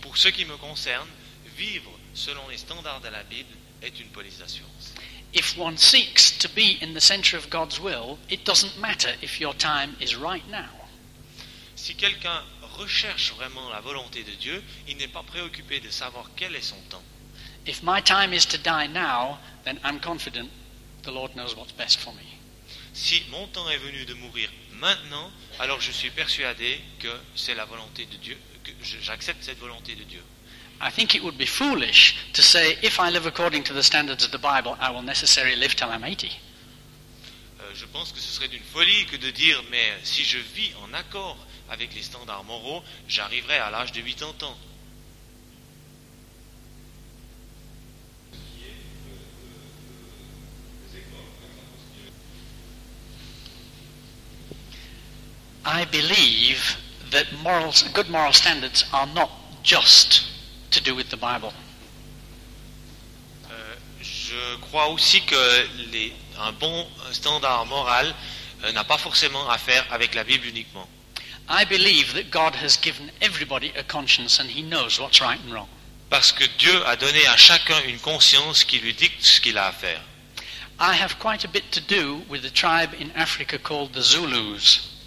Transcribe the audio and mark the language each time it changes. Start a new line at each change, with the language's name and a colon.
French: Pour ce qui me concerne, vivre selon les standards de la Bible est une police d'assurance.
English: If one seeks to be in the center of God's will, it doesn't matter if your time is right now.
French: Si quelqu'un recherche vraiment la volonté de Dieu, il n'est pas préoccupé de savoir quel est son temps.
English: If my time is to die now, then I'm confident the Lord knows what's best for me.
French: Si mon temps est venu de mourir maintenant, alors je suis persuadé que c'est la volonté de Dieu, que j'accepte cette volonté de Dieu.
English: I think it would be foolish to say if I live according to the standards of the Bible, I will necessarily live till I'm 80.
French: Je pense que ce serait d'une folie que de dire mais si je vis en accord avec les standards moraux, j'arriverai à l'âge de 80 ans.
English: I believe that morals, good moral standards are not just to do with the Bible.
French: Je crois aussi que un bon standard moral n'a pas forcément à faire avec la Bible uniquement.
English: I believe that God has given everybody a conscience and he knows what's right and wrong.
French: Parce que Dieu a donné à chacun une conscience qui lui dicte ce qu'il a à faire.
English: I have quite a bit to do with the tribe in Africa called the Zulus.